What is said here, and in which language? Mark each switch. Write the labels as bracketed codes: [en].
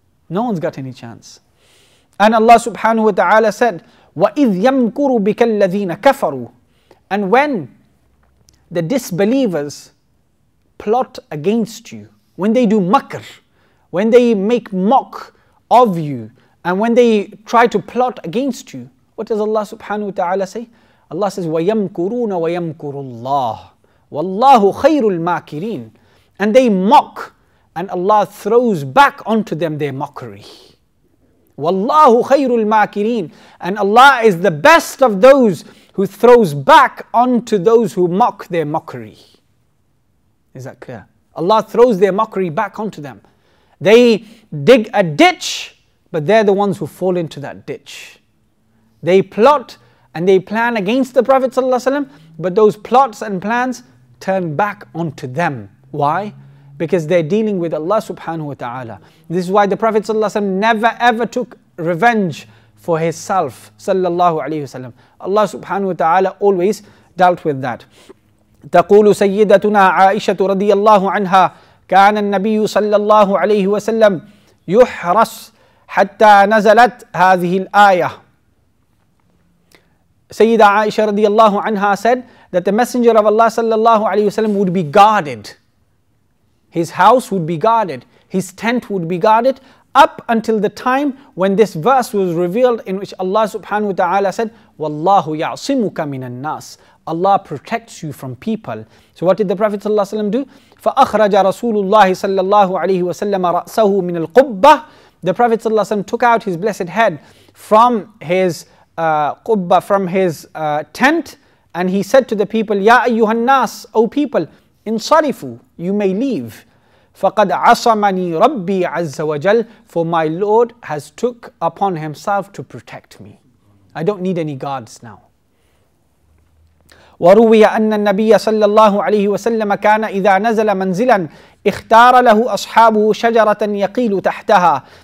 [en] No one's got any chance. And Allah subhanahu wa ta'ala said, [ar] وَإِذْ يَمْكُرُ بِكَ الَّذِينَ كَفَرُوا. [en] And when the disbelievers plot against you, when they do makr, when they make mock of you, and when they try to plot against you, what does Allah subhanahu wa ta'ala say? Allah says, [ar] وَيَمْكُرُونَ وَيَمْكُرُ اللَّهُ وَاللَّهُ خَيْرُ الْمَاكِرِينَ. [en] And they mock, and Allah throws back onto them their mockery. [ar] Wallahu khayrul maakirin. [en] And Allah is the best of those who throws back onto those who mock their mockery. Is that clear? Allah throws their mockery back onto them. They dig a ditch, but they're the ones who fall into that ditch. They plot and they plan against the Prophet ﷺ, but those plots and plans turn back onto them. Why? Because they're dealing with Allah subhanahu wa ta'ala. This is why the Prophet ﷺ never ever took revenge for himself, sallallahu alayhi wa sallam. Allah subhanahu wa ta'ala always dealt with that. [ar] تقول سيدتنا عائشة رضي الله عنها كان النبي صلى الله عليه وسلم يحرس حتى نزلت هذه الآية. [en] Sayyida Aisha radiallahu anha said that the Messenger of Allah sallallahu alayhi wasallam would be guarded. His house would be guarded. His tent would be guarded up until the time when this verse was revealed, in which Allah subhanahu wa ta'ala said, [ar] Wallahu ya'simuka minan nas. [en] Allah protects you from people. So what did the Prophet sallallahu alayhi wa sallam do? [ar] فَأَخْرَجَ رَسُولُ اللَّهِ صَلَّى اللَّهُ عَلَيْهِ وَسَلَّمَ رَأْسَهُ مِنَ الْقُبَّةِ. [en] The Prophet sallallahu alayhi wa sallam took out his blessed head from his qubba, from his tent, and he said to the people, [ar] يَا أَيُّهَا النَّاسِ, [en] O people, [ar] انصرفوا, [en] you may leave. [ar] فَقَدْ عَصَمَنِي رَبِّي عَزَّ وَجَلْ, [en] for my Lord has took upon himself to protect me. I don't need any guards now. [ar] وروي أن النبي صلى الله عليه وسلم كان إذا نزل منزلا اختار له أصحابه شجرة يقيل تحتها.